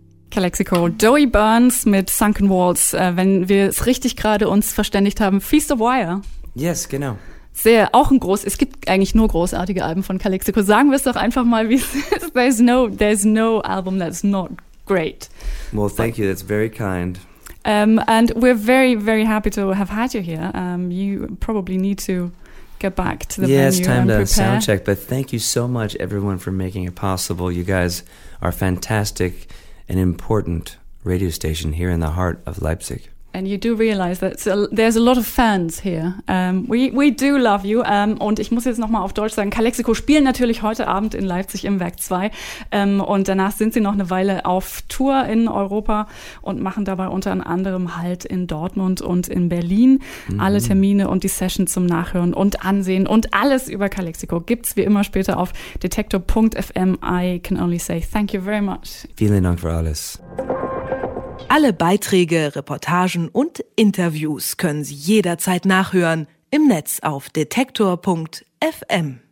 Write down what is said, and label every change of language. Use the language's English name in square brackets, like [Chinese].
[German] Calexico, Joey Burns mit Sunken Walls, wenn wir es richtig gerade uns verständigt haben, Feast of Wire. [English] Yes, [German] genau. Sehr, auch ein groß, es gibt eigentlich nur großartige Alben von Calexico. Sagen wir es doch einfach mal, wie es ist. [English] There's no album that's not great. Well, thank you, that's very kind. And we're very, very happy to have had you here. You probably need to get back to the venue. Yeah, it's time to soundcheck, but thank you so much everyone for making it possible. You guys are fantastic. An important radio station here in the heart of Leipzig. And you do realize that there's a lot of fans here. We do love you. [German] Und ich muss jetzt nochmal auf Deutsch sagen, Calexico spielen natürlich heute Abend in Leipzig im Werk 2. Und danach sind sie noch eine Weile auf Tour in Europa und machen dabei unter anderem Halt in Dortmund und in Berlin. Mhm. Alle Termine und die Session zum Nachhören und Ansehen und alles über Calexico gibt's wie immer später auf detektor.fm. [English] I can only say thank you very much. [German] Vielen Dank für alles. Alle Beiträge, Reportagen und Interviews können Sie jederzeit nachhören im Netz auf detektor.fm.